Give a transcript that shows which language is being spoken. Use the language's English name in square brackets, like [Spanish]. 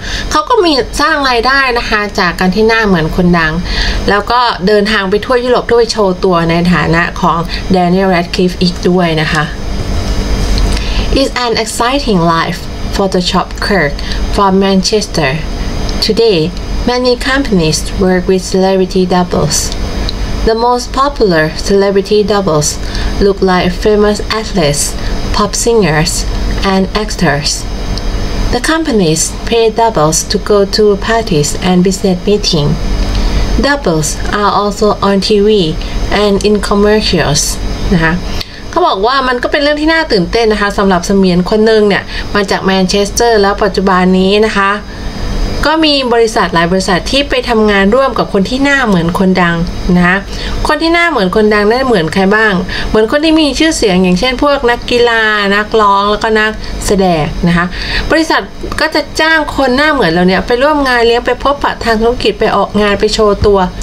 [Thai] เขาก็มีสร้างรายได้นะคะจากการที่หน้าเหมือนคนดังแล้วก็เดินทางไปทั่วยุโรปเพื่อไปโชว์ตัวในฐานะของ Daniel Radcliffe อีกด้วยนะคะ [English] It's an exciting life for the shop clerk from Manchester today. Many companies work with celebrity doubles. The most popular celebrity doubles look like famous athletes, pop singers, and actors. The companies pay doubles to go to parties and business meetings. Doubles are also on TV and in commercials. [Thai] นะคะเขาบอกว่ามันก็เป็นเรื่องที่น่าตื่นเต้นนะคะสำหรับเสมียนคนหนึ่งเนี่ยมาจากแมนเชสเตอร์แล้วปัจจุบันนี้นะคะก็มีบริษัทหลายบริษัทที่ไปทำงานร่วมกับคนที่หน้าเหมือนคนดังนะคนที่หน้าเหมือนคนดังได้เหมือนใครบ้างเหมือนคนที่มีชื่อเสียงอย่างเช่นพวกนักกีฬานักร้องแล้วก็นักแสดงนะคะบริษัทก็จะจ้างคนหน้าเหมือนเราเนี่ยไปร่วมงานเลี้ยงไปพบปะทางธุรกิจไปออกงานไปโชว์ตัว